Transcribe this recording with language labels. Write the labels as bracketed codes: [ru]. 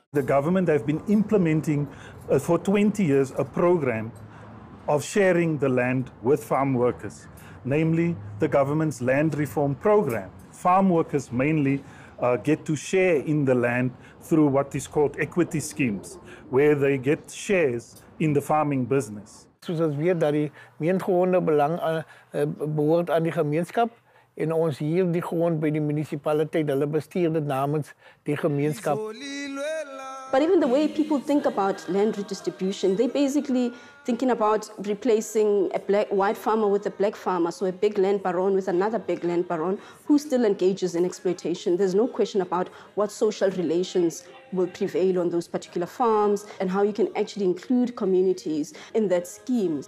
[en] The government have been implementing for 20 years a program of sharing the land with farm workers, namely the government's land reform program. Farm workers mainly get to share in the land through what is called equity schemes, where they get shares in the farming business. [af] Soos as weet dat die meengewone belang behoort aan die gemeenskap en ons hier die gewoon by die munisipaliteit, hulle bestuur dit namens die gemeenskap. [en] But even the way people think about land redistribution, they basically thinking about replacing a black white farmer with a black farmer, so a big land baron with another big land baron who still engages in exploitation. There's no question about what social relations will prevail on those particular farms and how you can actually include communities in that scheme.